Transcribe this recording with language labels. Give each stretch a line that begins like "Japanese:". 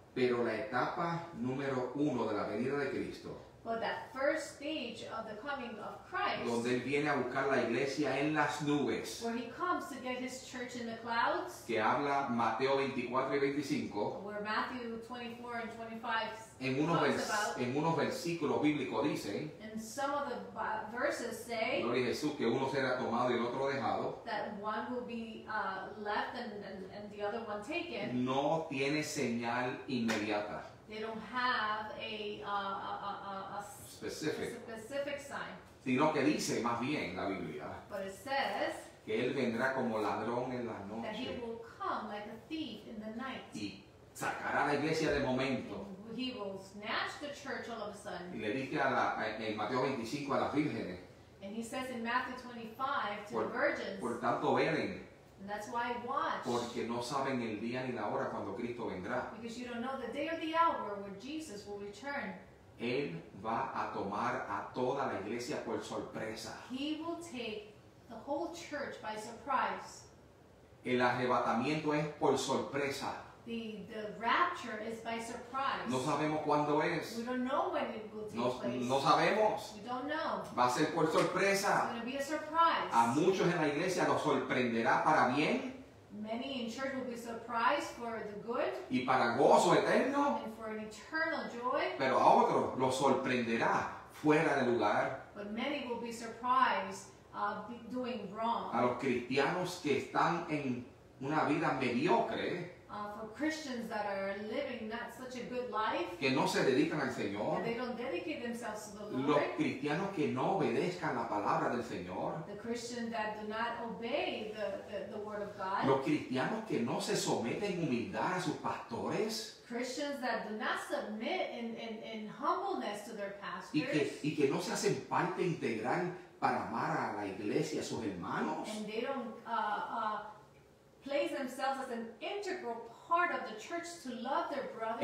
Spanish: Pero la etapa número uno de la venida de Cristo.
English: But that first stage of the coming of Christ.
Spanish: Donde él viene a buscar la iglesia en las nubes.
English: Where he comes to get his church in the clouds.
Spanish: Que habla Mateo 24 y 25.
English: Where Matthew 24 and 25 says.
Spanish: En unos versículos bíblicos dicen,
English: in some of the verses say,
Spanish: gloria a Jesús, que uno será tomado y el otro dejado,
English: that one will be left and the other one taken,
Spanish: no tiene señal inmediata.
English: They don't have a specific sign.
Spanish: Sino que dice más bien la Biblia,
English: but it says,
Spanish: que él vendrá como ladrón en la noche,
English: that he will come like a thief in the night,
Spanish: y sacará a la iglesia de momento.
English: He will snatch the church all of a sudden.
Spanish: Y le dice en Mateo 25 a las vírgenes.
English: And he says in Matthew 25 to the virgins.
Spanish: Por tanto velen.
English: And that's why watch.
Spanish: Porque no saben el día ni la hora cuando Cristo vendrá.
English: Because you don't know the day or the hour when Jesus will return.
Spanish: Él va a tomar a toda la iglesia por sorpresa.
English: He will take the whole church by surprise.
Spanish: El arrebatamiento es por sorpresa.
English: The rapture is by surprise.
Spanish: No sabemos cuándo es.
English: We don't know when it will take place.
Spanish: No sabemos.
English: We don't know.
Spanish: Va a ser por sorpresa.
English: It's going to be a surprise.
Spanish: A muchos en la iglesia los sorprenderá para bien.
English: Many in church will be surprised for the good.
Spanish: Y para gozo eterno.
English: And for an eternal joy.
Spanish: Pero a otros los sorprenderá fuera de lugar.
English: But many will be surprised doing wrong.
Spanish: A los cristianos que están en una vida mediocre.
English: For Christians that are living not such a good life,
Spanish: que no se dedican al Señor,
English: they don't dedicate themselves to the Lord,
Spanish: los cristianos que no obedezcan la palabra del Señor,
English: the Christians that do not obey the word of God,
Spanish: los cristianos que no se someten en humildad a sus pastores,
English: Christians that do not submit in humbleness to their pastors,
Spanish: y que no se hacen parte integral para amar a la iglesia, a sus hermanos,
English: and they don't place themselves as an integral part of the church to love their brothers.